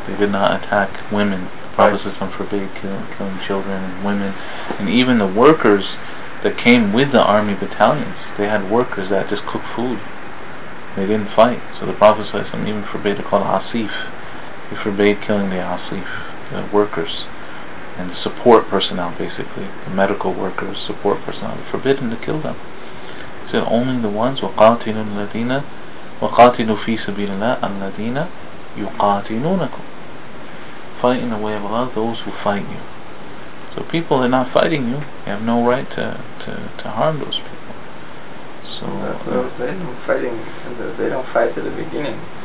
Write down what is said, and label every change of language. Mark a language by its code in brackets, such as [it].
[en] They did not attack women Prophet forbade killing children and women, and even the workers that came with the army battalions, they had workers that just cooked food. They didn't fight. So the Prophet even forbade to call the Asif. He forbade killing the Asif, the workers and the support personnel, basically the medical workers, support personnel. He forbade him to kill them. He said only the ones [ar] وَقَاتِلُوا فِي سَبِيلِ اللَّهِ الَّذِينَ يُقَاتِلُونَكُمْ. [en] Fight in the way of Allah those who fight you. So people are not fighting you, you have no right to harm those people. So they don't fight at the beginning.